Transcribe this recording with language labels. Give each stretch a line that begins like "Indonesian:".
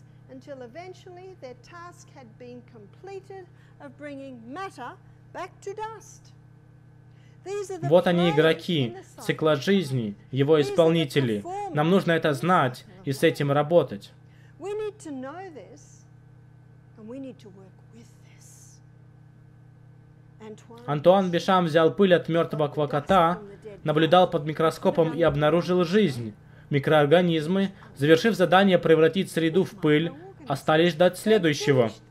English: Until eventually their task had been completed of bringing matter back to dust.
Russian: Вот они, игроки цикла жизни, его исполнители. Нам нужно это знать и с этим работать.
English: We need to know this, and we need to work with this.
Russian: Антуан Бишам взял пыль от мертвого квакота, наблюдал под микроскопом и обнаружил жизнь. Микроорганизмы, завершив задание превратить среду в пыль, остались ждать следующего.